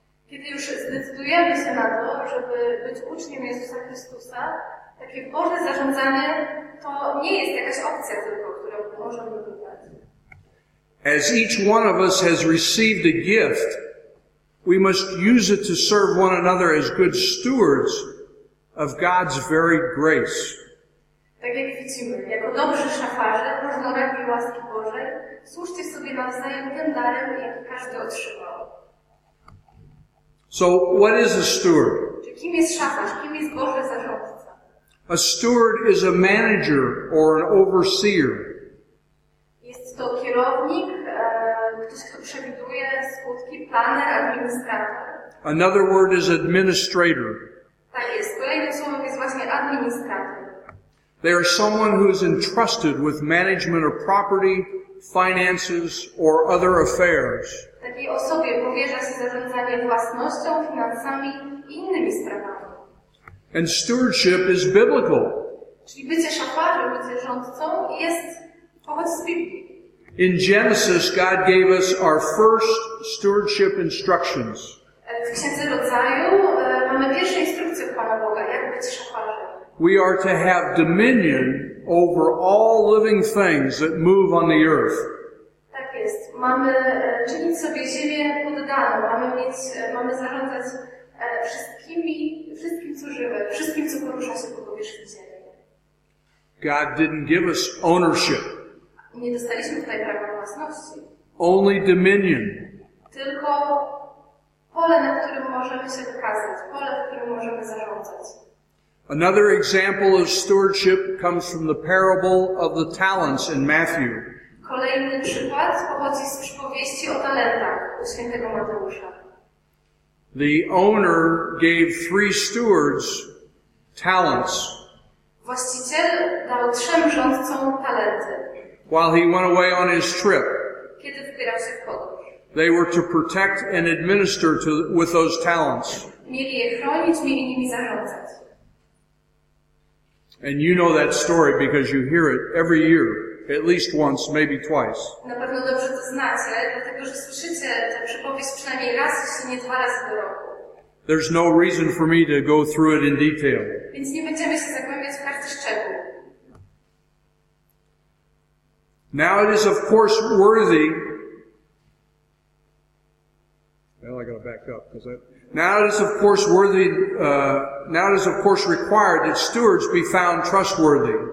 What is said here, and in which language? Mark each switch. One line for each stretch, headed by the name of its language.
Polish: Kiedy już zdecydujemy się na to, żeby być uczniem Jezusa Chrystusa, takie Boże zarządzanie to nie jest jakaś opcja tylko, którą można wybrać.
English: As each one of us has received a gift, we must use it to serve one another as good stewards of God's very grace.
Polish: Tak jak widzimy, jako dobrzy szafarze, różnorakie łaski Bożej, służcie sobie nawzajem tym darem, jaki każdy otrzymał.
English: So, what is a steward?
Polish: Czy kim jest szafarz? Kim jest Boży zarządca?
English: A steward is a manager or an overseer.
Polish: Jest to kierownik, ktoś, kto przewiduje skutki, planer, administrator.
English: Another word is administrator.
Polish: Tak jest, kolejną słową jest właśnie administrator.
English: They are someone who is entrusted with management of property, finances, or other affairs.
Polish: Takiej osobie powierza się zarządzanie własnością, finansami i innymi sprawami.
English: And stewardship is biblical.
Polish: Czyli bycie szafarzem, bycie rządcą jest pochodzi z Biblii.
English: In Genesis, God gave us our first stewardship instructions.
Polish: W Księdze Rodzaju mamy pierwsze instrukcje Pana Boga, jak być szafarzem.
English: We are to have dominion over all living things that move on the earth.
Polish: Tak jest. Mamy czynić sobie ziemię poddaną. Mamy zarządzać wszystkim, co żywe, wszystkim, co porusza się po powierzchni ziemi.
English: God didn't give us ownership.
Polish: Nie dostaliśmy tutaj prawa własności.
English: Only dominion.
Polish: Tylko pole, na którym możemy się wykazać, pole, w którym możemy zarządzać.
English: Another example of stewardship comes from the parable of the talents in Matthew.
Polish: Kolejny przykład pochodzi z przypowieści o talentach u świętego Mateusza.
English: The owner gave three stewards talents.
Polish: Właściciel dał trzem rządcom talenty.
English: While he went away on his trip,
Polish: kiedy wybierał się w podróż,
English: they were to protect and administer with those talents.
Polish: Mieli je chronić, mieli nimi zarządzać.
English: And you know that story because you hear it every year, at least once, maybe twice.
Polish: Na pewno dobrze to znacie, dlatego że słyszycie tę przypowieść przynajmniej raz, jeśli nie dwa razy do roku.
English: There's no reason for me to go through it in detail.
Polish: Więc nie będziemy się zagłębiać w każdy szczegół.
English: Now it is of course worthy. Well, I gotta back up because I. Now it is of course worthy. Now it is of course required that stewards be found trustworthy.